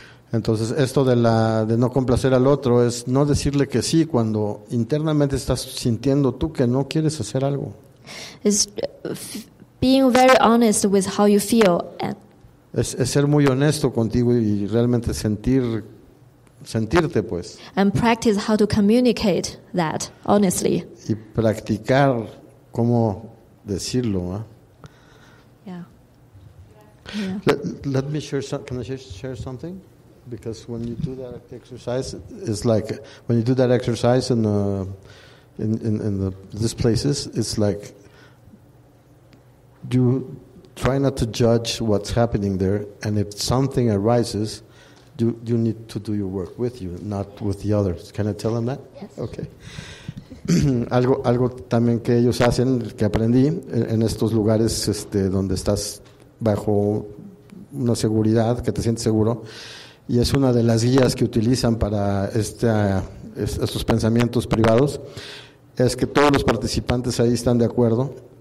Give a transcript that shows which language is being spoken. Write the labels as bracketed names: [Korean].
[Spanish] Entonces esto de la de no complacer al otro es no decirle que sí cuando internamente estás sintiendo tú que no quieres hacer algo. [English] Is being very honest with how you feel. [Spanish] Es ser muy honesto contigo y realmente sentirte pues. [English] And practice how to communicate that honestly. [Spanish] Y practicar cómo decirlo, ¿eh? [English] Yeah. Let me share something. Because when you do that exercise, it's like when you do that exercise in these places, it's like you try not to judge what's happening there, and if something arises, you need to do your work with you, not with the others. Can I tell them that? Yes. Okay. [Spanish] algo también que ellos hacen, que aprendí en estos lugares, donde estás bajo una seguridad, que te sientes seguro. Y es una de las guías que utilizan para estos pensamientos privados, es que todos los participantes ahí están de acuerdo.